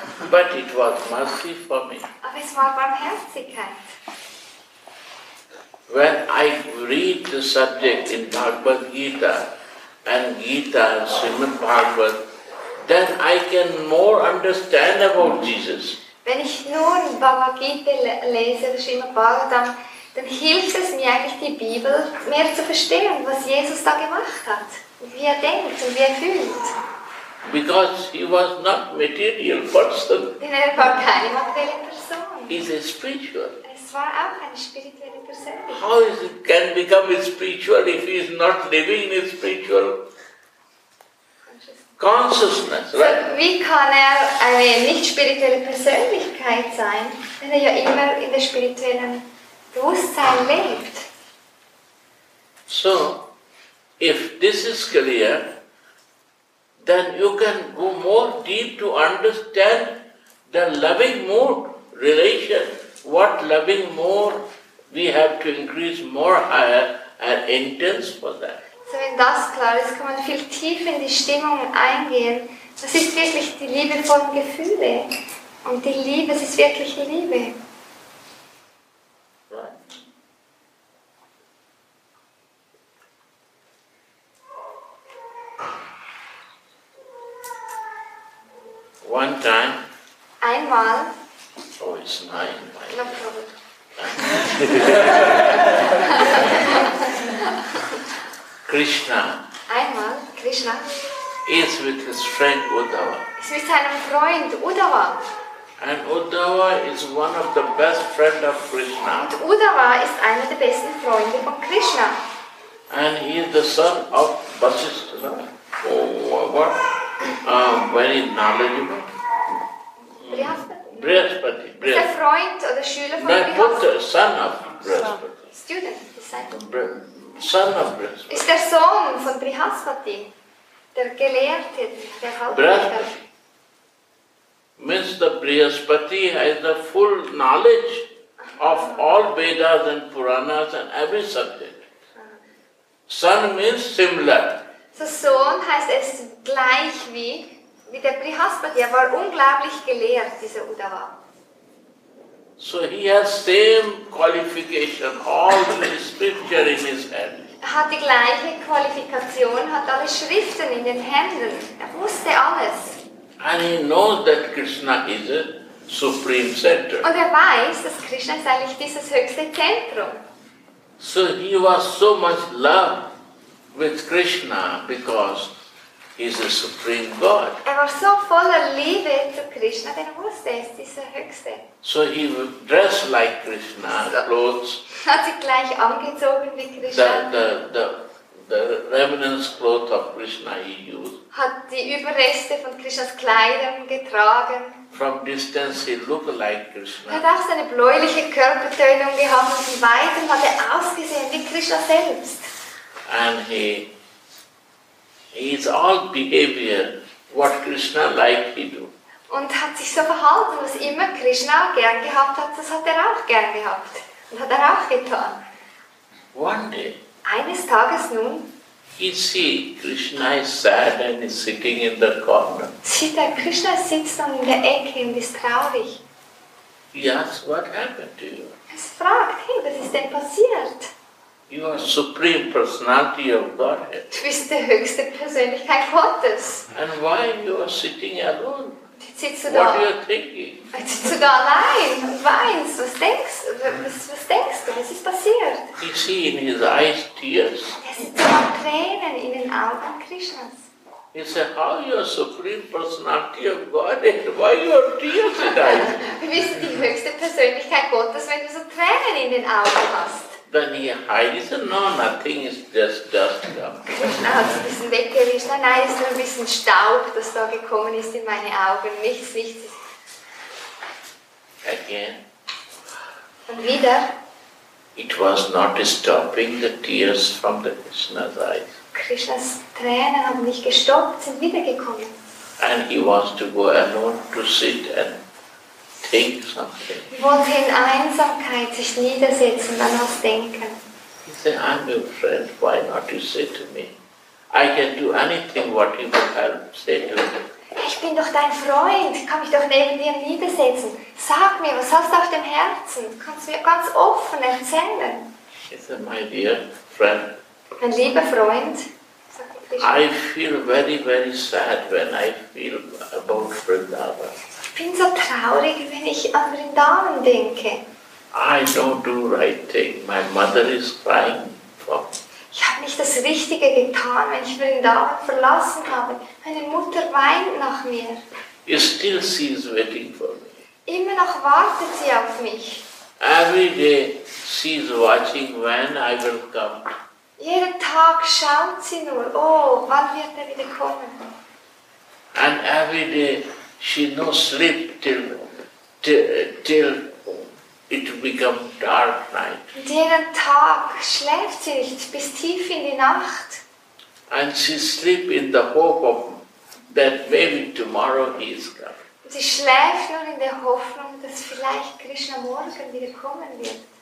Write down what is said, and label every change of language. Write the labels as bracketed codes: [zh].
[en] But it was mercy for me. [de] Aber es war Barmherzigkeit. [en] When I read the subject in Bhagavad Gita and Gita and Srimad Bhagavat, then I can more understand about Jesus. [de] Wenn ich nur Bhagavad Gita lese, Srimad Bhagavatam, dann hilft es mir eigentlich die Bibel mehr zu verstehen, was Jesus da gemacht hat, wie er denkt und wie er fühlt. [en] Because he was not material person. [de] Denn er war keine materielle Person. [en] He's a spiritual. [de] Es war auch eine spirituelle Person. [en] How is it can become spiritual if he is not living in spiritual consciousness, right? [de] So, wie kann er eine nicht spirituelle Persönlichkeit sein, wenn er ja immer in der spirituellen Bewusstsein lebt. [en] So, if this is clear, then you can go more deep to understand the loving mood relation. What loving mood we have to increase more higher and intense for that. [de] So, wenn das klar ist, kann man viel tiefer in die Stimmung eingehen. Das ist wirklich die Liebe von Gefühle. Und die Liebe, es ist wirklich Liebe. [en] One time. [de] Einmal. [en] Oh, it's nine. No problem. Krishna. [de] Einmal, Krishna. [en] Is with his friend Uddhava. [de] Ist mit seinem Freund Uddhava. [en] And Uddhava is one of the best friends of Krishna. [de] Und Uddhava ist einer der besten Freunde von Krishna. [en] And he is the son of Vasishtha. No? Oh, what? Very knowledgeable. [de] Brihaspati. Der Freund oder Schüler von Brihaspati. Nein, Bruder, [en] son of Brihaspati. Student, disciple. Son of Brihaspati. [de] Ist der Sohn von Brihaspati, der Gelehrte, der Halbbruder. [en] Means the Brihaspati has the full knowledge of all Vedas and Puranas and every subject. Son means similar. [de] So Sohn heißt es gleich wie der Brihaspati, er war unglaublich gelehrt, dieser Uddhava. [en] So he has same qualification, all the scripture in his hand. [de] Er hat die gleiche Qualifikation, hat alle Schriften in den Händen, er wusste alles. [en] And he knows that Krishna is a supreme center. [de] Und er weiß, dass Krishna ist eigentlich dieses höchste Zentrum. [en] So he was so much love with Krishna because he is a supreme God. [de] Er war so voller Liebe zu Krishna, denn er wusste, es ist dieser Höchste. [en] So he dressed like Krishna, so clothes. [de] Hat sich gleich angezogen wie Krishna. [en] The remnants clothes of Krishna he used. [de] Hat die Überreste von Krishnas Kleidern getragen. [en] From distance he looked like Krishna. [de] Er hat auch seine bläuliche Körpertönung gehabt und von weitem hat er ausgesehen wie Krishna selbst. [en] And he is all behavior what Krishna liked he do. [de] Und hat sich so verhalten, was immer Krishna gern gehabt hat, das hat er auch gern gehabt und hat er auch getan. [en] One day. [de] Eines Tages nun. [en] He see Krishna is sad and is sitting in the corner. [de] Sieht er, Krishna sitzt dann in der Ecke und ist traurig. [en] He asks, what happened to you? [de] Es fragt, hey, was ist denn passiert? [en] You are supreme personality of Godhead. [de] Du bist die höchste Persönlichkeit Gottes. [en] And why you are sitting alone? [de] Jetzt sitzt du [en] what [de] da. [en] What are you thinking? [de] Jetzt sitzt du da allein und weinst. Was denkst du? Was ist passiert? [en] He see in his eyes tears. [de] Er sieht Tränen in den Augen Krishnas. [en] He said, how you are Supreme Personality of Godhead? Why are your tears in the eyes? [de] Wie ist die höchste Persönlichkeit Gottes, wenn du so Tränen in den Augen hast? [en] Then he hides it. No, nothing is just dust. [de] Er hat so ein bisschen weggewischt. Nein, nein, ist nur ein bisschen Staub, das da gekommen ist in meine Augen. Nichts, nichts. [en] Again. [de] Und wieder. [en] It was not stopping the tears from the Krishna's eyes. [de] Krishnas Tränen haben nicht gestoppt, sind wiedergekommen. [en] And he wants to go alone to sit and think something. [de] Er wollte in Einsamkeit sich niedersetzen, dann was denken. [en] He said, I'm your friend, why not you say to me? I can do anything what you would have said to me. [de] Ich bin doch dein Freund, kann mich doch neben dir niedersetzen. Sag mir, was hast du auf dem Herzen? Kannst du mir ganz offen erzählen? [en] He said, my dear friend. [de] Mein lieber Freund, sagte ich. [en] I feel very, very sad when I feel about Vrindavan. [de] Ich bin so traurig, wenn ich an Vrindavan denke. [en] I don't do right thing. My mother is crying for me. [de] Ich habe nicht das Richtige getan, wenn ich Vrindavan verlassen habe. Meine Mutter weint nach mir. [en] You still see is waiting for me. [de] Immer noch wartet sie auf mich. [en] Every day she is watching when I will come. [de] Jeden Tag schaut sie nur, oh, wann wird er wieder kommen? [en] And every day she no sleep till it become dark night. [de] Und jeden Tag schläft sie nicht bis tief in die Nacht. [en] And she sleep in the hope of that maybe tomorrow he is coming. [de] Sie schläft nur in der Hoffnung, dass vielleicht Krishna morgen wieder kommen wird.